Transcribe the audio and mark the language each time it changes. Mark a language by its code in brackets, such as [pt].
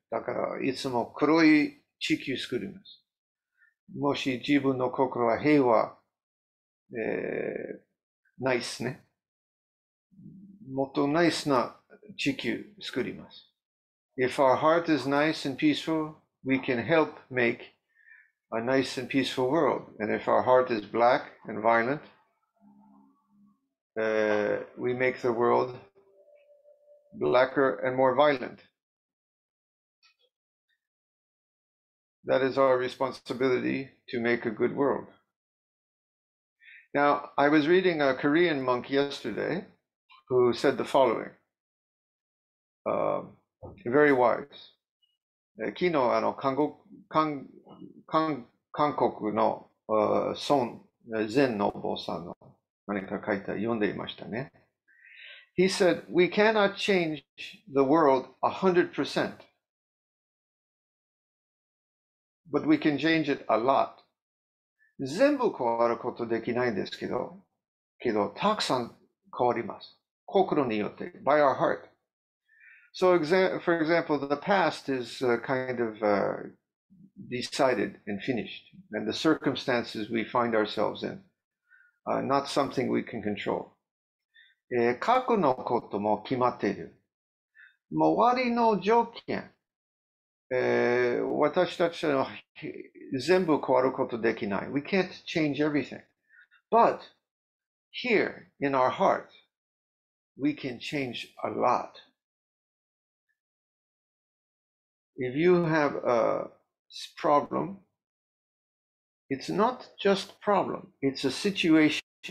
[ja] だからいつも黒い地球を作ります。もし自分の心は平和、ナイスね。もっとナイスな地球を作ります。 [en] If our heart is nice and peaceful,We can help make a nice and peaceful world. And if our heart is black and violent, we make the world blacker and more violent. That is our responsibility to make a good world. Now, I was reading a Korean monk yesterday who said the following, very wise. [ja] 昨日あの韓国の孫禅のお坊さんの何か書いた読んでいましたね。 [en] He said, we cannot change the world 100%, but we can change it a lot. [ja] 全部変わることできないんですけどたくさん変わります。心によって、 [en] by our heart. So, for example, the past is kind of decided and finished, and the circumstances we find ourselves in are not something we can control. [ja] 過去のことも決まっている。周りの状況、私たちは全部変わることできない。 [en] We can't change everything. But here in our heart, we can change a lot. If you have a problem, it's not just problem, it's a situation.